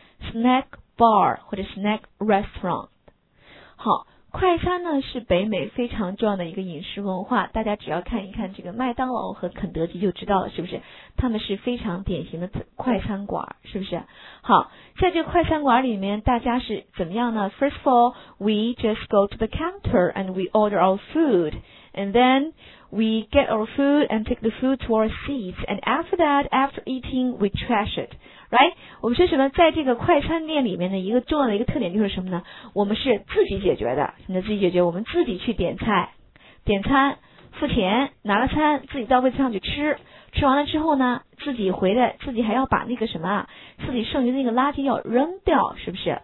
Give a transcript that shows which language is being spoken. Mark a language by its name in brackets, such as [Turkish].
[English] snack bar [Chinese] 或者 [English] snack restaurant. [Chinese] 好，快餐呢是北美非常重要的一个饮食文化，大家只要看一看这个麦当劳和肯德基就知道了，是不是？他们是非常典型的快餐馆，是不是？好，在这个快餐馆里面大家是怎么样呢？ [English] First of all, we just go to the counter and we order our food. And then we get our food and take the food to our seats. And after that, after eating, we trash it. Right? [Chinese] 我们说什么，在这个快餐店里面的一个重要的一个特点就是什么呢？我们是自己解决的，你自己解决，我们自己去点菜，点餐，付钱，拿了餐，自己到位置上去吃，吃完了之后呢，自己回来，自己还要把那个什么，自己剩余的那个垃圾要扔掉，是不是？